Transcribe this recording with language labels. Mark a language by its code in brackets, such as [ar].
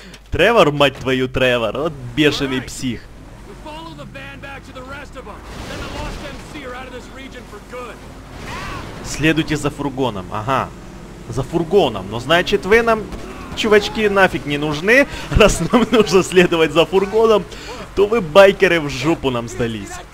[ru] Тревор, мать твою, Тревор, вот бешеный псих. [en] We follow the band back to the rest of them. Then the lost MC are out of this region for good. [ru] Следуйте за фургоном, ага. За фургоном, но значит вы нам, чувачки, нафиг не нужны. Раз нам нужно следовать за фургоном, то вы, байкеры, в жопу нам сдались.